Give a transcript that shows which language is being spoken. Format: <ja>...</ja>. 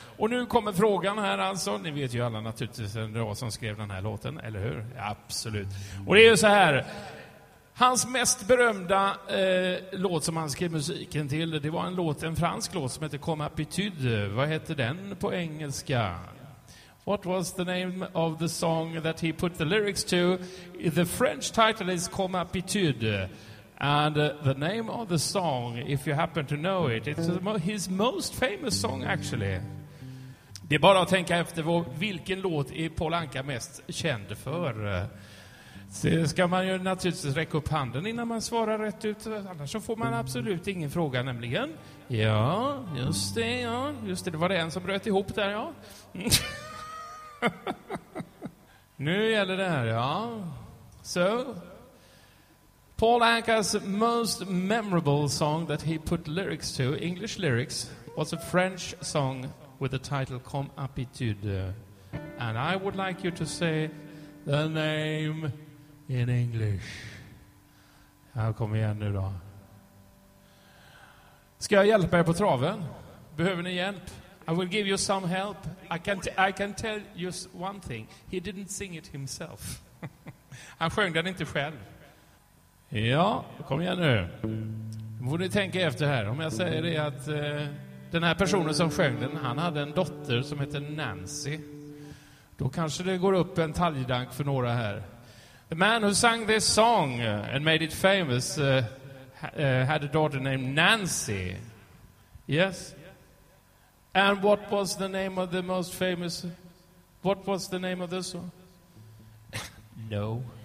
<sv>Och nu kommer frågan här alltså, ni vet ju alla naturligtvis vad som skrev den här låten, eller hur? Ja, absolut. Och det är ju så här, hans mest berömda låt som han skrev musiken till, det var en låt, en fransk låt som heter Comme Aptitude. Vad heter den på engelska?</sv> <en>What was the name of the song that he put the lyrics to? The French title is Comme Aptitude. And the name of the song, if you happen to know it, it's his most famous song, actually.</en> <sv>Det är bara att tänka efter vilken låt är Paul Anka mest känd för. Så ska man ju naturligtvis räcka upp handen innan man svarar rätt ut, annars så får man absolut ingen fråga, nämligen. Ja, just det, ja. Just det, det var det en som bröt ihop där, ja. Nu gäller det här, ja. Så...</sv> <en>Paul Anka's most memorable song that he put lyrics to, English lyrics, was a French song with the title Comme Aptitude. And I would like you to say the name in English.</en> <sv>Här kommer igen nu då. Ska jag hjälpa er på traven? Behöver ni hjälp?</sv> <en>I will give you some help. I can tell you one thing. He didn't sing it himself.</en> <sv>Han sjöng den inte själv. Ja, kom igen nu. Får ni tänka efter här. Om jag säger det att den här personen som sjöng den, han hade en dotter som heter Nancy. Då kanske det går upp en taljdank för några här.</sv> <en>The man who sang this song and made it famous had a daughter named Nancy. Yes? And what was the name of the most famous... What was the name of this one? No.</en>